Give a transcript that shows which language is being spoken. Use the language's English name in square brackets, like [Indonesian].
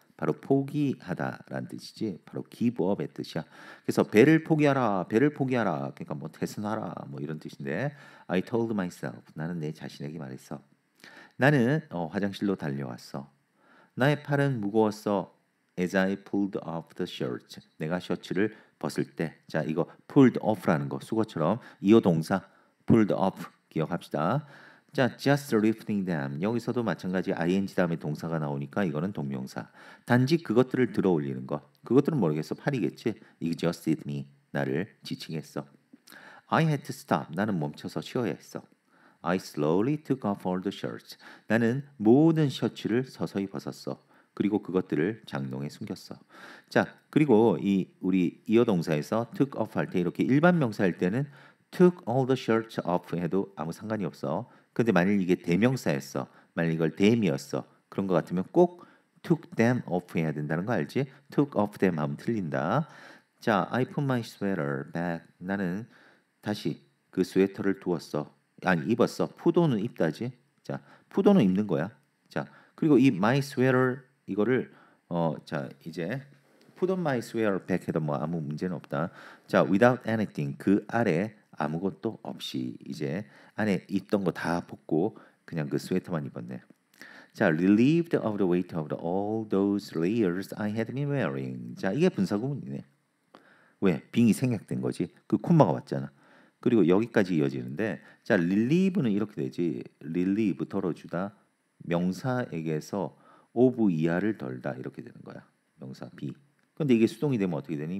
[Korean] 바로 포기하다라는 뜻이지. 바로 give up의 뜻이야. 그래서 배를 포기하라. 그러니까 뭐 퇴선하라 뭐 이런 뜻인데 [English] I told myself. [Korean] 나는 내 자신에게 말했어. 나는 화장실로 달려왔어. 나의 팔은 무거웠어. [English] As I pulled off the shirt. [Korean] 내가 셔츠를 벗을 때. 자, 이거 pulled off라는 거. 수거처럼. 이어 동사. pulled off. 기억합시다. [English] 자, just lifting them. [Korean] 여기서도 마찬가지 ing 다음에 동사가 나오니까 이거는 동명사. 단지 그것들을 들어올리는 것. 그것들은 모르겠어. 팔이겠지. [English] Exhausted me. [Korean] 나를 지치게 했어. [English] I had to stop. [Korean] 나는 멈춰서 쉬어야 했어. [English] I slowly took off all the shirts. [Korean] 나는 모든 셔츠를 서서히 벗었어. 그리고 그것들을 장롱에 숨겼어. 자, 그리고 이 우리 이어 동사에서 took off 할 때 이렇게 일반 명사일 때는 took all the shirts off 해도 아무 상관이 없어. 근데 만일 이게 대명사였어. 만일 이걸 them이었어. 그런 것 같으면 꼭 took them off 해야 된다는 거 알지? [English] took off them [Korean] 하면 틀린다. [English] 자, I put my sweater back. [Korean] 나는 다시 그 스웨터를 두었어. 아니, 입었어. put on은 입다지. 자, put on은 입는 거야. 자, 그리고 이 my sweater 이거를 자, 이제 [English] put on my sweater back [Korean] 해도 뭐 아무 문제는 없다. 자, [English] without anything [Korean] 그 아래 아무것도 없이 이제 안에 입던 거 다 벗고 그냥 그 스웨터만 입었네. [English] 자, relieved of the weight of all those layers I had been wearing. [Korean] 자, 이게 분사구문이네. 왜? being이 생략된 거지. 그 콤마가 왔잖아. 그리고 여기까지 이어지는데 자, relieve는 이렇게 되지. relieve, 덜어주다. 명사에게서 of 이하를 덜다. 이렇게 되는 거야. 명사 be. 근데 이게 수동이 되면 어떻게 되니?